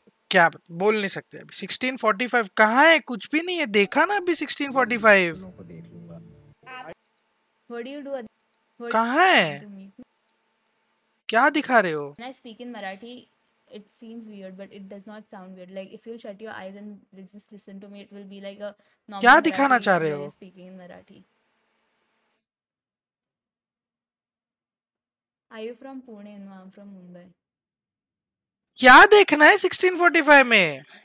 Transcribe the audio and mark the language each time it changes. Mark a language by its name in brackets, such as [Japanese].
[Hindi] क्या बोल नहीं सकते अभी। 1645 कहाँ है, कुछ भी नहीं है, देखा ना अभी 1645। कहाँ है, क्या दिखा रहे हो? [English] It seems weird, but it does not sound weird. Like if you shut your eyes and just listen to me, it will be like a normal. [Hindi] क्या दिखाना चाह रहे हो? [English] Speaking in Marathi. Are you from Pune? No, I'm from Mumbai. [Hindi] क्या देखना है 1645 में?